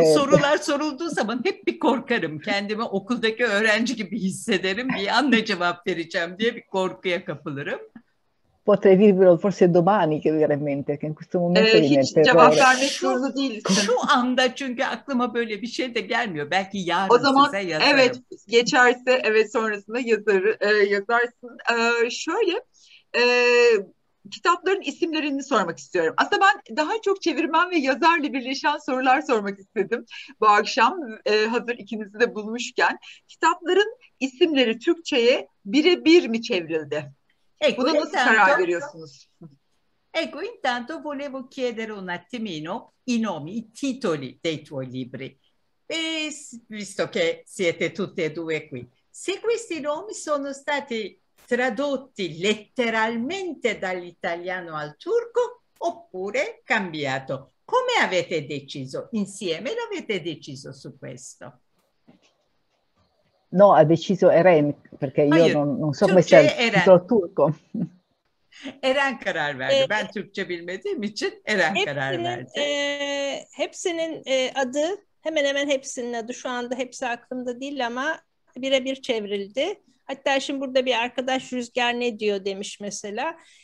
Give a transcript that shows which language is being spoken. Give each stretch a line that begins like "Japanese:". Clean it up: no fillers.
Turkish: Bu sorular sorulduğu zaman hep bir korkarım. Kendimi okuldaki öğrenci gibi hissederim. Bir an ne cevap vereceğim diye bir korkuya kapılırım.
Italian: Potrei dirvelo forse domani che veramente che in questo momento
Turkish: hiç cevap vermek zorunda değilsin. Şu anda çünkü aklıma böyle bir şey de gelmiyor. Belki yarın o zaman, size yazarım. Evet, geçerse evet sonrasında yazarsın. Kitapların isimlerini sormak istiyorum. Aslında ben daha çok çevirmen ve yazarla birleşen sorular sormak istedim bu akşam hazır ikinizi de bulmuşken. Kitapların isimleri Türkçe'ye birebir mi çevrildi?
Italian: Ecco,
Turkish: buna nasıl
Italian: intanto,
Turkish: karar veriyorsunuz?
Italian: Ecco, intanto volevo chiedere un attimino i nomi, i titoli dei tuoi libri. E visto che siete tutte e due qui, se questi nomi sono stati tradotti letteralmente dall'italiano al turco oppure cambiato? Come avete deciso? Insieme l'avete deciso su questo? No, ha deciso Eren, perché io non so come sia il titolo turco.
Turkish: Eren karar verdi. Ben Türkçe bilmediğim için Eren karar verdi. Hepsinin adı, hemen hemen hepsinin adı şu anda hepsi aklımda değil ama birebir çevrildi. Hatta şimdi burada bir arkadaş Rüzgar ne diyor demiş mesela.